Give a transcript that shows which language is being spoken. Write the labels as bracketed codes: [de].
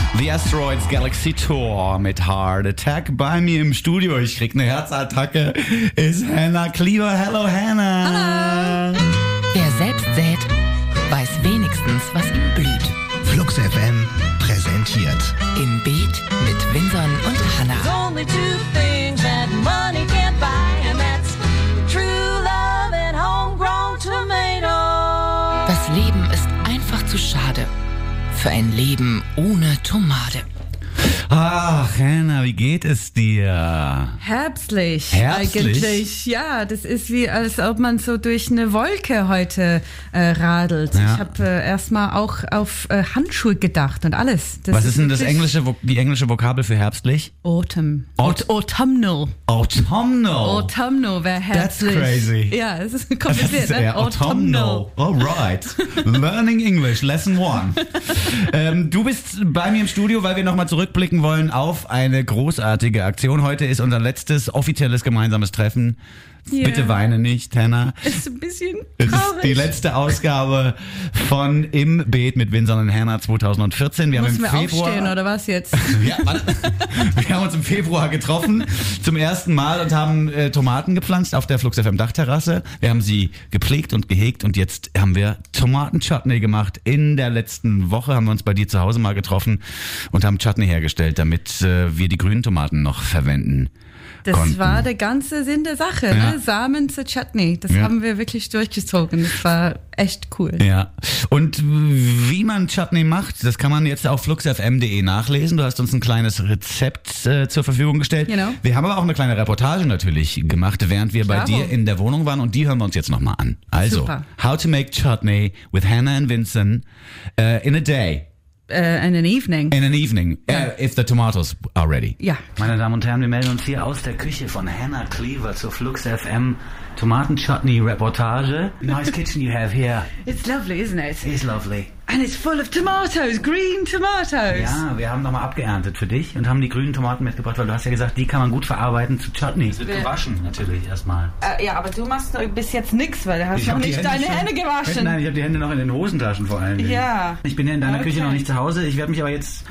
[de] Asteroids Galaxy Tour mit Heart Attack bei mir im Studio. Ich krieg eine Herzattacke. Ist Hannah Cleaver. [en] Hello, [de] Hannah. Hallo. Wer selbst sät, weiß wenigstens, was ihm blüht. Flux FM präsentiert Im Beat mit Vinson und Hannah. [en] There's only two things that money can't buy, and that's true love and homegrown tomato. [de] Das Leben ist einfach zu schade für ein Leben ohne Tomate. Ach, Hannah, wie geht es dir? Herbstlich. Herbstlich? Eigentlich, ja. Das ist wie, als ob man so durch eine Wolke heute radelt. Ja. Ich habe erstmal auch auf Handschuhe gedacht und alles. Das Was ist denn das englische, die englische Vokabel für herbstlich? [en] Autumn. Autumnal. Autumnal. [de] Autumnal wäre herbstlich. [en] That's crazy. [de] Ja, es ist kompliziert. Das ist eher [en] autumnal. All right. Learning English, lesson one. [de] Du bist bei mir im Studio, weil wir nochmal zurückblicken wollen auf eine großartige Aktion. Heute ist unser letztes offizielles gemeinsames Treffen. [en] Yeah. [de] Bitte weine nicht, Hannah. Ist ein bisschen traurig. Ist die letzte Ausgabe von Im Beet mit Vinson und Hannah 2014. Wir haben im Februar aufstehen oder was jetzt? Ja, wir haben uns im Februar getroffen zum ersten Mal und haben Tomaten gepflanzt auf der Flux FM Dachterrasse. Wir haben sie gepflegt und gehegt und jetzt haben wir Tomaten-Chutney gemacht. In der letzten Woche haben wir uns bei dir zu Hause mal getroffen und haben Chutney hergestellt, damit wir die grünen Tomaten noch verwenden. Das konnten. War der ganze Sinn der Sache, ja. Ne? Samen zur Chutney. Das ja. haben wir wirklich durchgezogen. Das war echt cool. Ja. Und wie man Chutney macht, das kann man jetzt auf fluxfm.de nachlesen. Du hast uns ein kleines Rezept zur Verfügung gestellt. Genau. Wir haben aber auch eine kleine Reportage natürlich gemacht, während wir bei dir in der Wohnung waren. Und die hören wir uns jetzt nochmal an. Also, super. [en] How to make Chutney with Hannah and Vinson in a day. In an evening, yeah. If the tomatoes are ready. [de] Ja. Meine Damen und Herren, wir melden uns hier aus der Küche von Hannah Cleaver zur Flux FM Tomaten-Chutney-Reportage. [en] Nice kitchen you have here. It's lovely, isn't it? It's lovely. And it's full of tomatoes, green tomatoes. [de] Ja, wir haben nochmal abgeerntet für dich und haben die grünen Tomaten mitgebracht, weil du hast ja gesagt, die kann man gut verarbeiten zu Chutney. Die sind gewaschen natürlich erstmal. Ja, aber du machst bis jetzt nichts, weil du hast noch nicht deine Hände gewaschen. Nein, ich habe die Hände noch in den Hosentaschen vor allen Dingen. Ja. Ich bin ja in deiner Küche noch nicht zu Hause. Ich werde mich aber jetzt...